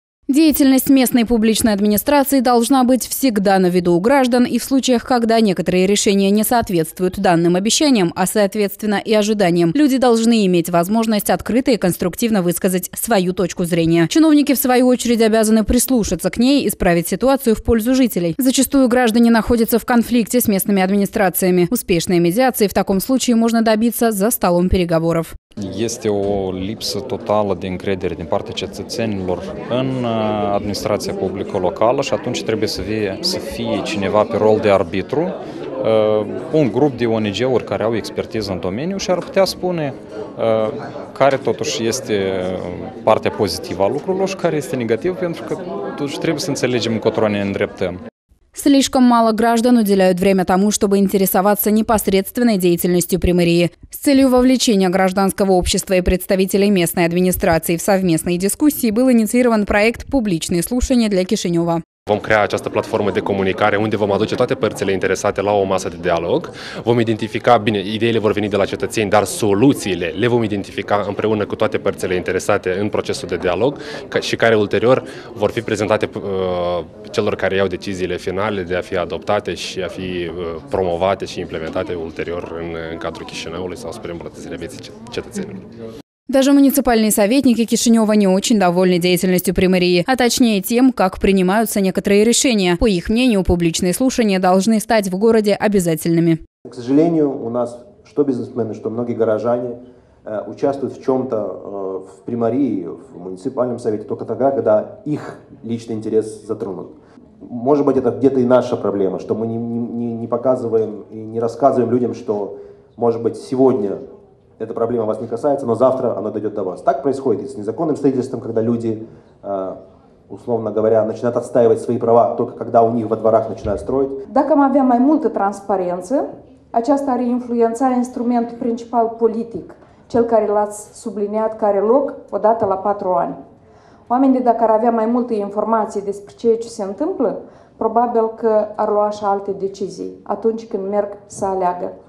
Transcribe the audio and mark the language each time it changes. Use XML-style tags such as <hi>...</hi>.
<ru>Деятельность местной публичной администрации должна быть всегда на виду у граждан, и в случаях, когда некоторые решения не соответствуют данным обещаниям, а соответственно и ожиданиям, люди должны иметь возможность открыто и конструктивно высказать свою точку зрения. Чиновники, в свою очередь, обязаны прислушаться к ней и исправить ситуацию в пользу жителей. Зачастую граждане находятся в конфликте с местными администрациями. Успешной медиации в таком случае можно добиться за столом переговоров.</ru> <ro>Este o lipsă totală de încredere din partea cetățenilor în administrația publică locală și atunci trebuie să fie cineva pe rol de arbitru, un grup de ONG-uri care au expertiză în domeniu și ar putea spune care totuși este partea pozitivă a lucrurilor și care este negativă, pentru că totuși trebuie să înțelegem încotro ne îndreptăm.</ro> <ru>Слишком мало граждан уделяют время тому, чтобы интересоваться непосредственной деятельностью примарии. С целью вовлечения гражданского общества и представителей местной администрации в совместные дискуссии был инициирован проект «Публичные слушания для Кишинева».</ru> <ro>Vom crea această platformă de comunicare unde vom aduce toate părțile interesate la o masă de dialog. Vom identifica, bine, ideile vor veni de la cetățeni, dar soluțiile le vom identifica împreună cu toate părțile interesate în procesul de dialog și care ulterior vor fi prezentate celor care iau deciziile finale de a fi adoptate și a fi promovate și implementate ulterior în cadrul Chișinăului sau spre îmbunătățirea vieții cetățenilor.</ro> <ru>Даже муниципальные советники Кишинева не очень довольны деятельностью примарии, а точнее тем, как принимаются некоторые решения. По их мнению, публичные слушания должны стать в городе обязательными. К сожалению, у нас что бизнесмены, что многие горожане участвуют в чем-то в примарии, в муниципальном совете, только тогда, когда их личный интерес затронут. Может быть, это где-то и наша проблема, что мы не показываем и не рассказываем людям, что, может быть, сегодня эта проблема вас не касается, но завтра она дойдет до вас. Так происходит и с незаконным строительством, когда люди, условно говоря, начинают отстаивать свои права только когда у них во дворах начинают строить.</ru> <ro>Dacă am avea mai multă transparență, aceasta ar influența instrumentul principal politic, cel care l-ați subliniat, care loc odată la 4 ani. Oamenii, dacă ar avea mai multe informații despre ceea ce se întâmplă, probabil că ar lua și alte decizii atunci când merg să aleagă.</ro>